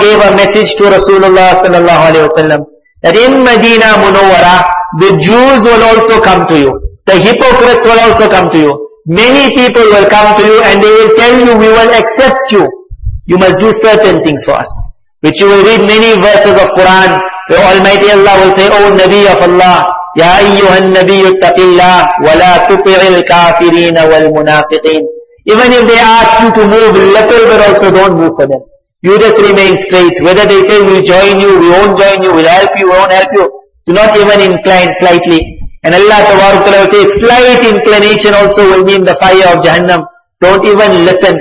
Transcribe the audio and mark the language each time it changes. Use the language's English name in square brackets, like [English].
[English] gave a message to Rasulullah sallallahu alayhi wasallam that in Medina Munawwara, the Jews will also come to you. The hypocrites will also come to you. Many people will come to you and they will tell you, "We will accept you. You must do certain things for us." Which you will read many verses of Quran, where Almighty Allah will say, "O Nabi of Allah, [Arabic] يا أيها النبي اتق الله ولا تطع الكافرين والمنافقين. [English] Even if they ask you to move a little bit also, don't move for them. You just remain straight. Whether they say we'll join you, we won't join you, we'll help you, we won't help you, do not even incline slightly. And Allah Ta'ala will say, slight inclination also will mean the fire of Jahannam. Don't even listen.